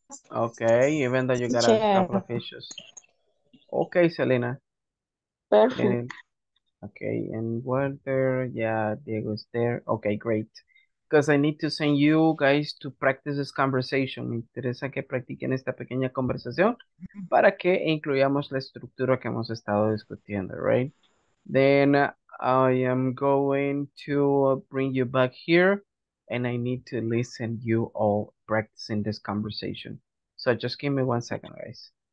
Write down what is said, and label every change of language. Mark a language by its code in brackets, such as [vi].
[en] Okay, even though you got a couple of issues. Okay, Selena. Perfect. Okay, and Walter, yeah, Diego's there. Okay, great. Because I need to send you guys to practice this conversation. [es] Me interesa que practiquen esta pequeña conversación para que incluyamos la estructura que hemos estado discutiendo, right? [en] Then I am going to bring you back here. And I need to listen you all practicing this conversation. So just give me one second, guys.